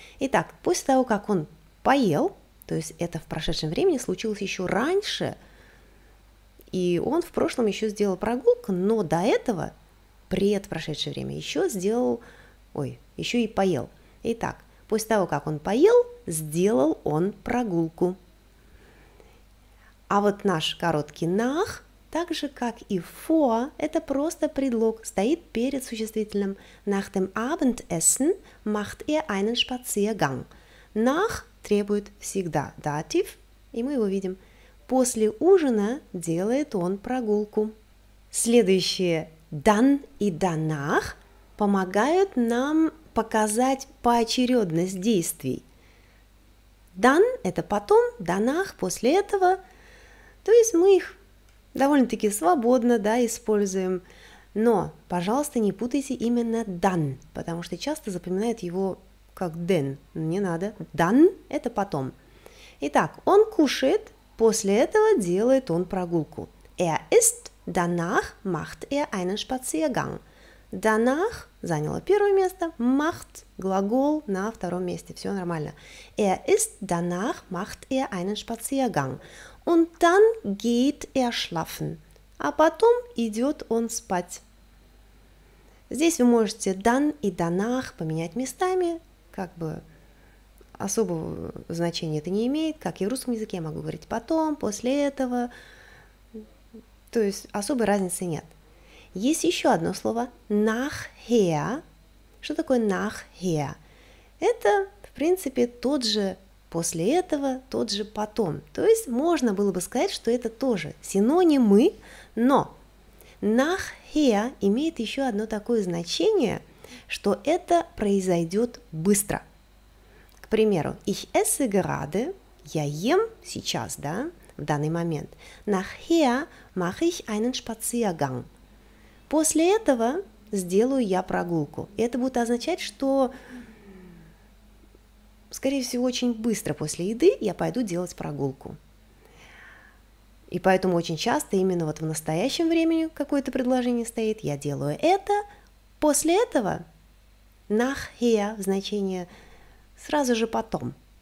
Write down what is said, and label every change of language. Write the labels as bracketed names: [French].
[Russian] Итак, после того, как он поел, то есть это в прошедшем времени случилось еще раньше, и он в прошлом еще сделал прогулку, но до этого, предпрошедшее время, еще сделал, еще и поел. Итак, после того, как он поел, сделал он прогулку. А вот наш короткий nach, так же, как и vor, это просто предлог, стоит перед существительным. [German] Nach dem Abendessen macht einen Spaziergang. [Russian] Nach требует всегда датив, и мы его видим. После ужина делает он прогулку. Следующие «dann» и «danach» помогают нам показать поочередность действий. «Dann» – это потом, «danach» – после этого. То есть мы их довольно-таки свободно, да, используем. Но, пожалуйста, не путайте именно «dann», потому что часто запоминают его как «den». Не надо. «Dann» – это потом. Итак, он кушает. После этого делает он прогулку. [German] Er ist, danach macht einen Spaziergang. [Russian] Danach заняло первое место, macht глагол на втором месте. Все нормально. [German] Er ist, danach macht einen Spaziergang. Und dann geht schlafen. [Russian] А потом идет он спать. Здесь вы можете dann и danach поменять местами, как бы. Особого значения это не имеет, как и в русском языке, я могу говорить потом, после этого. То есть особой разницы нет. Есть еще одно слово nachher. Что такое nachher? Это, в принципе, тот же после этого, тот же потом. То есть можно было бы сказать, что это тоже синонимы, но nachher имеет еще одно такое значение, что это произойдет быстро. К примеру, [German] ich esse gerade, [Russian] я ем сейчас, да, в данный момент. [German] Nachher mache ich einen Spaziergang. [Russian] После этого сделаю я прогулку. Это будет означать, что, скорее всего, очень быстро после еды я пойду делать прогулку. И поэтому очень часто именно вот в настоящем времени какое-то предложение стоит, я делаю это, после этого nachher в значении сразу же потом.